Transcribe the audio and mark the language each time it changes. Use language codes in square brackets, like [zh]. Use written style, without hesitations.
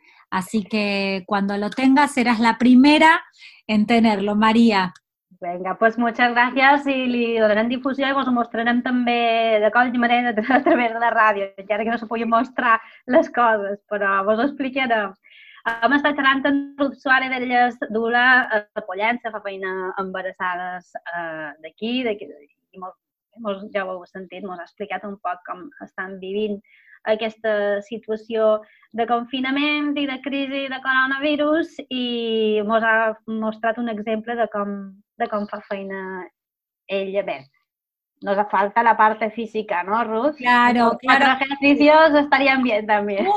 [es] Así que cuando lo tengas, serás la primera en tenerlo, María. Venga, pues muchas gracias y [ca] li donarem difusió i vos ho mostrarem també de coll i manera a través de la ràdio, encara que no se pugui mostrar les coses, però vos ho explicarem. Hem estat xerrant amb l'usuària de les Dula de Pollença, fa feina embarassades d'aquí, i mos, ja ho heu sentit, mos ha explicat un poc com estan vivint aquesta situació de confinament i de crisi de coronavirus, i mos ha mostrat un exemple de com fa feina ella. [es] Bé, nos falta la parte física, ¿no, Ruth? Claro, los claro. Los ejercicios estarían bien también.